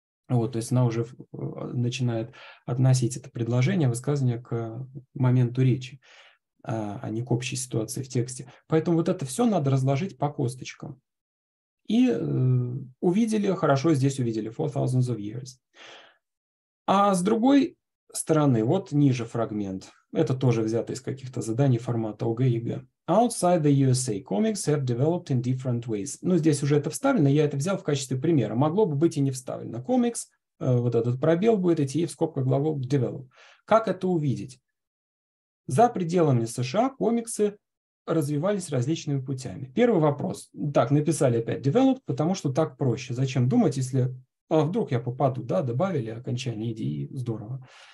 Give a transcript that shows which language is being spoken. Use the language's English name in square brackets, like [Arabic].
[Russian] Вот, то есть она уже начинает относить это предложение, высказывание к моменту речи, а не к общей ситуации в тексте. Поэтому вот это все надо разложить по косточкам. И увидели, хорошо, здесь увидели, for thousands of years. А с другой стороны, вот ниже фрагмент. Это тоже взято из каких-то заданий формата ОГЭ и ЕГЭ. [English] Outside the USA, comics have developed in different ways. [Russian] Ну, здесь уже это вставлено, я это взял в качестве примера. Могло бы быть и не вставлено. Comics, вот этот пробел будет идти, и в скобках глагол develop. Как это увидеть? За пределами США комиксы развивались различными путями. Первый вопрос. Так, написали опять developed, потому что так проще. Зачем думать, если а вдруг я попаду, да, добавили окончание идеи, здорово.